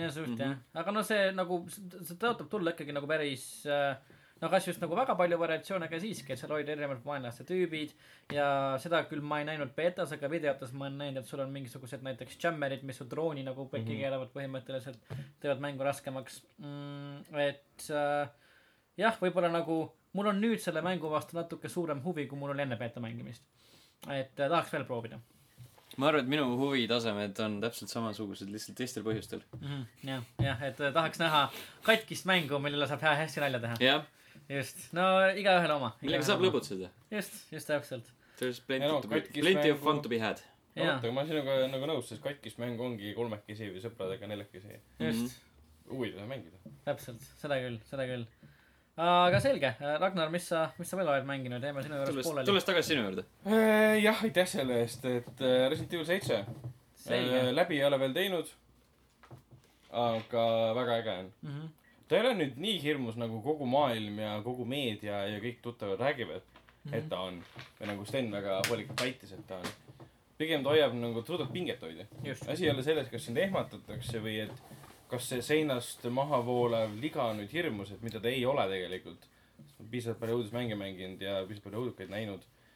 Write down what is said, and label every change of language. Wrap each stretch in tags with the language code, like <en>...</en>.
<et>jaa , suht jah , aga no see nagu see tõotab tulla ikkagi nagu päris no kas just nagu väga palju variatsioone , aga siiski , et seal olid erinevad vaenlaste tüübid ja seda küll ma ei näinud betas , aga videotes ma olen näinud , et sul on mingisugused näiteks jammerid , mis su drooni nagu pekki keelavad põhimõtteliselt , teevad mängu raskemaks et jah , võibolla nagu mul on nüüd selle mängu vastu natuke suurem huvi , kui mul oli enne beta mängimist et tahaks veel proovida ma arvan , et minu huvitasemed on täpselt samasugused , lihtsalt teistel põhjustel jah , et tahaks näha katkist mängu , millele saab hästi nalja teha jah just , no igaühele oma millega saab lõbutseda just täpselt</et> <en>there's plenty of fun to be had</en> <et>oota , ma sinuga nagu nõus , sest katkist mäng ongi kolmekesi või sõpradega neljakesi just huvitav mängida täpselt , seda küll aga selge , Ragnar , mis sa veel oled mänginud , jääme sinu juures pooleli tulles tagasi sinu juurde jah , aitäh selle eest , et Resident Evil 7 läbi ei ole veel teinud aga väga äge on ta ei ole nüüd nii hirmus nagu kogu maailm ja kogu meedia ja kõik tuttavad räägivad et ta on või nagu Sten väga hoolikalt väitis , et ta on pigem ta hoiab nagu , suudab pinget hoida asi ei ole selles , kas sind ehmatatakse või et kas see seinast maha voolav liga on nüüd hirmus , et mida ta ei ole tegelikult piisavalt palju õudusmänge mänginud ja piisavalt palju õudukaid näinud</et>